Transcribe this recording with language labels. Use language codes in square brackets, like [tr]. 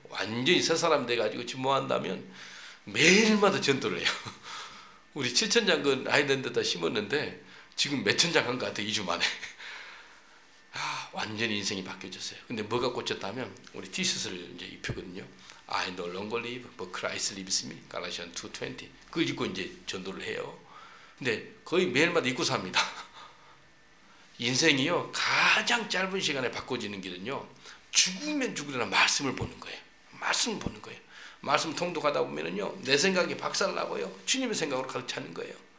[ko] 완전히 새 사람 돼가지고 지금 뭐 한다면 매일마다 전도를 해요. 우리 7천장 그 아이 된 데다 심었는데 지금 몇 천장 한것 같아요, 2주 만에. 아, 완전히 인생이 바뀌어졌어요. 근데 뭐가 꽂혔다면 우리 티셔츠를 이제 입히거든요. [en] I no longer live, but Christ lives me. Galatians 2:20. [ko] 그걸 입고 이제 전도를 해요. 근데 거의 매일마다 입고 삽니다. 인생이요, 가장 짧은 시간에 바꿔지는 길은요, 죽으면 죽으려나 말씀을 보는 거예요. 말씀을 보는 거예요. 말씀 통독하다 보면은요, 내 생각이 박살나고요, 주님의 생각으로 가득 차는 거예요.